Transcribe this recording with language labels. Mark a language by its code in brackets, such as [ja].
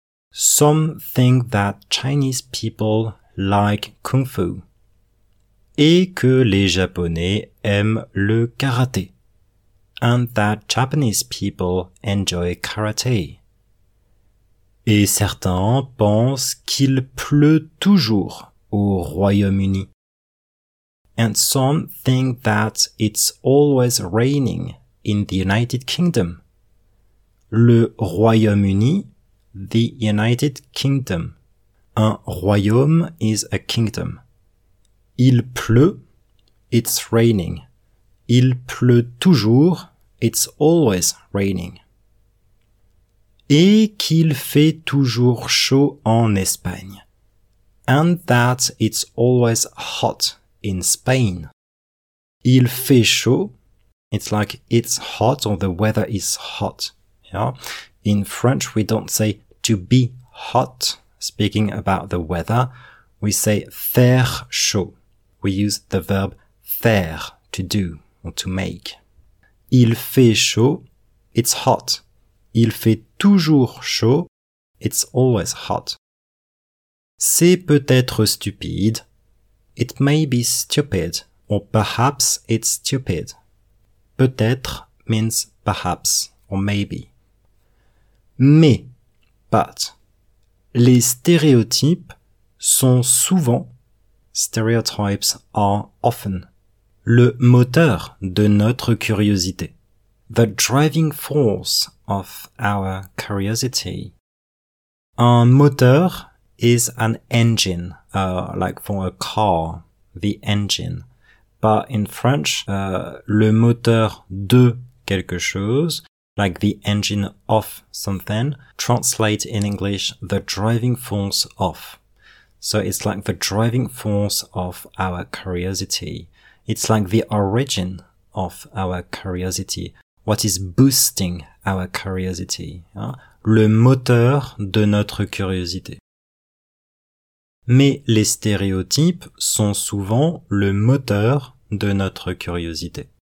[en] Some think that Chinese people like kung-fu. [fr] Et que les Japonais aiment le karaté. [en] And that Japanese people enjoy karaté. [fr] Et certains pensent qu'il pleut toujours au Royaume-Uni. [en] And some think that it's always raining in the United Kingdom. Le Royaume-Uni, the United Kingdom. Un royaume is a kingdom. [fr] Il pleut, [en] it's raining. [fr] Il pleut toujours, [en] it's always raining. [fr] Et qu'il fait toujours chaud en Espagne. [en] And that it's always hot in Spain. [fr] Il fait chaud. [en] It's like it's hot or the weather is hot. Yeah. In French, we don't say to be hot. Speaking about the weather, we say faire chaud. We use the verb faire to do or to make. [fr] Il fait chaud. [en] It's hot. [fr] Il fait toujours chaud. [en] It's always hot. [fr] C'est peut-être stupide. [en] It may be stupid. Or perhaps it's stupid. Peut-être means perhaps or maybe. [fr] Mais, [en] but, [fr] les stéréotypes sont souvent, [en] stereotypes are often, [fr] le moteur de notre curiosité. [en] The driving force of our curiosity. Un moteur is an engine, like for a car, the engine. But in French, [fr] le moteur de quelque chose, [en] like the engine of something, translates in English the driving force of. So it's like the driving force of our curiosity. It's like the origin of our curiosity. What is boosting our curiosity? Hein? [fr] Le moteur de notre curiosité. Mais les stéréotypes sont souvent le moteur de notre curiosité.